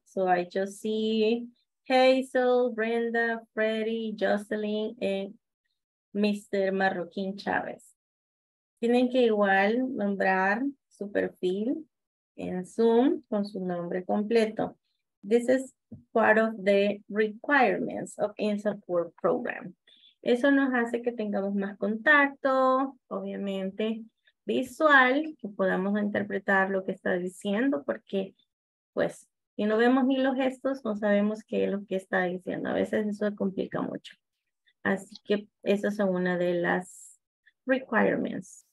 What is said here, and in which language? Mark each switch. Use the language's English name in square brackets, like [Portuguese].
[English] So I just see Hazel, Brenda, Freddy, Jocelyn, and Mr. [Spanish] Marroquín Chávez. Tienen que igual nombrar su perfil en Zoom con su nombre completo. [English] This is part of the requirements of In Support Program. [Spanish] Eso nos hace que tengamos más contacto, obviamente visual, que podamos interpretar lo que está diciendo, porque pues si no vemos ni los gestos, no sabemos qué es lo que está diciendo. A veces eso complica mucho. Así que esas son una de las requirements.